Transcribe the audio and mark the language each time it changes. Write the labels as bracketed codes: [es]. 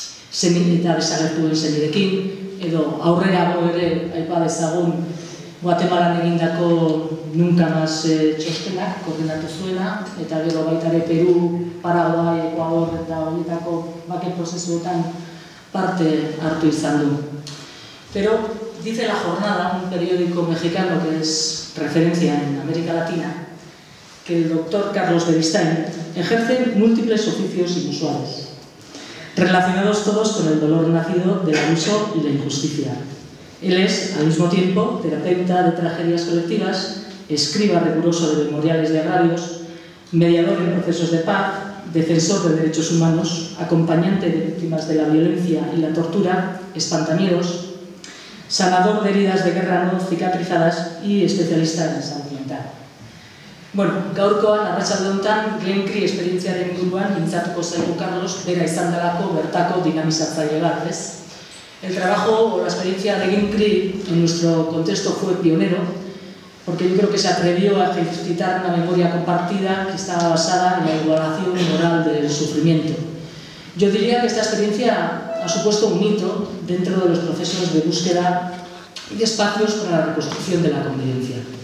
[eu] semen eta desagertuen semirekin, edo aurrerago ere aipa dezagun Guatemalan egindako nunca más txostenak koordinatu zuena, eta gero baita ere Peru, Paraguay, Ekuador eta horietako bake prozesuetan parte hartu izan du. [es] Pero, dice La Jornada, un periódico mexicano que es referencia en América Latina, que el doctor Carlos Beristain ejerce múltiples oficios inusuales, relacionados todos con el dolor nacido del abuso y la injusticia. Él es, al mismo tiempo, terapeuta de tragedias colectivas, escriba riguroso de memoriales de agravios, mediador en procesos de paz, defensor de derechos humanos, acompañante de víctimas de la violencia y la tortura, espantamiedos, sanador de heridas de guerra no cicatrizadas y especialista en salud mental. [eu] Bueno, gaurkoan, arratsalde honetan, Greenki esperientziaren inguruan mintzatuko zaigu Carlos, bera izan delako bertako dinamizatzaile bat, ez? [es] El trabajo o la experiencia de Greenki en nuestro contexto fue pionero, porque yo creo que se atrevió a ejercitar una memoria compartida que estaba basada en la igualación moral del sufrimiento. Yo diría que esta experiencia ha supuesto un hito dentro de los procesos de búsqueda y de espacios para la reconstrucción de la convivencia.